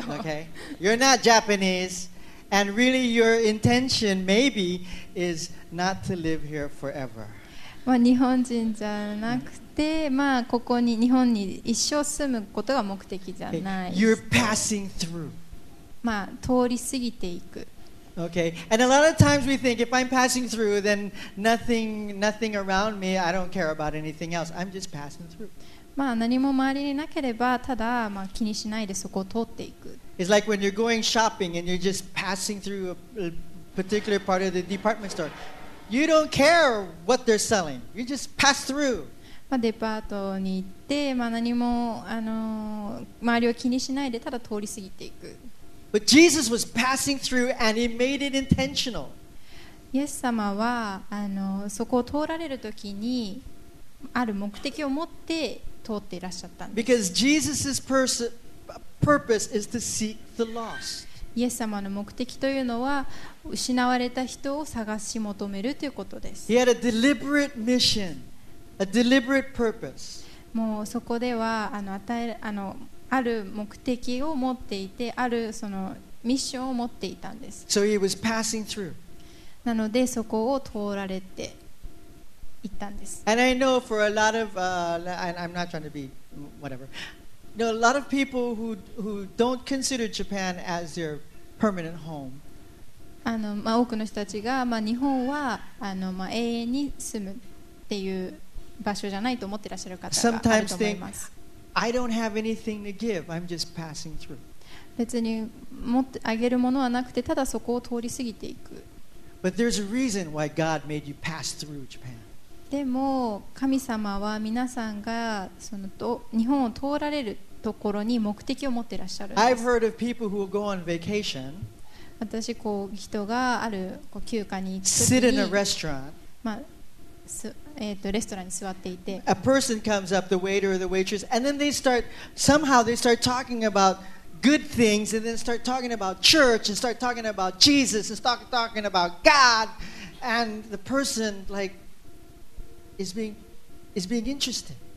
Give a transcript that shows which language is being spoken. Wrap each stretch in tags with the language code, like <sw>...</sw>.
<en>Okay, you're not Japanese, and really your intention maybe is not to live here forever.</en> <ja>まあ、日本人じゃなくて、まあ、ここに日本に一生住むことが目的じゃない。</ja> <en>You're passing through.</en> <ja>まあ、通り過ぎていく。</ja> <en>Okay. And a lot of times we think, if I'm passing through, then nothing around me, I don't care about anything else. I'm just passing through.</en> <ja>まあ、何も周りになければ、ただ、まあ、気にしないでそこを通っていく。</ja> <en>It's like when you're going shopping and you're just passing through a particular part of the department store. You don't care what they're selling. You just pass through.</en> <ja>まあ、デパートに行って、まあ、何も、周りを気にしないでただ通り過ぎていく。</ja> <en>But Jesus was passing through and he made it intentional.</en> <ja>イエス様は、あの、そこを通られるときにある目的を持って通っていらっしゃったんです。</ja> <en>Because Jesus' purpose is to seek the lost.</en> <ja>イエス様の目的というのは失われた人を探し求めるということです。</ja> <en>He had a deliberate mission, a deliberate purpose.</en> <ja>もうそこでは、あの、ある目的を持っていて、あるそのミッションを持っていたんです。</ja> <en>So he was passing through.</en> <ja>なので、そこを通られていったんです。</ja> <en>And I know for a lot of, I'm not trying to be whatever. You know, a lot of people who don't consider Japan as their permanent home.</en> <ja>あの、まあ、多くの人たちが、まあ、日本は、あの、まあ、永遠に住むっていう場所じゃないと思ってらっしゃる方があると思います。</ja> <en>I don't have anything to give. I'm just passing through.</en> <ja>別に持ってあげるものはなくてただそこを通り過ぎていく。</ja> <en>But there's a reason why God made you pass through Japan.</en> <ja>でも神様は皆さんがその日本を通られるところに目的を持っていらっしゃる。</ja> <en>I've heard of people who go on vacation.</en> <ja>私こう人がある休暇に行くときに</ja> <en>sit in a restaurant.</en> <ja>まあレストランに座っていて</ja> <en>a person comes up, the waiter or the waitress, and then they start somehow they start talking aboutGood things, and then start talking about church, and start talking about Jesus, and start talking about God, and the person like is being interested.</en>